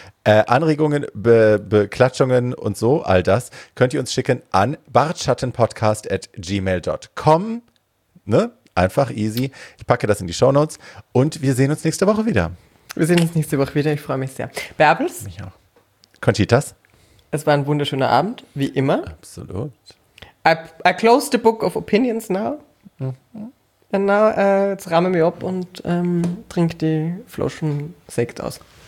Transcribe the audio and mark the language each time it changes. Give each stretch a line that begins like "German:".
German: Anregungen, Beklatschungen und so, all das könnt ihr uns schicken an bartschattenpodcast@gmail.com. Ne? Einfach easy. Ich packe das in die Shownotes und wir sehen uns nächste Woche wieder. Wir sehen uns nächste Woche wieder. Ich freue mich sehr. Bärbels? Mich auch. Conchitas? Es war ein wunderschöner Abend, wie immer. Absolut.
English: I close the book of opinions now.
German: Und jetzt rahme ich mich ab und trinke die Flaschen Sekt aus.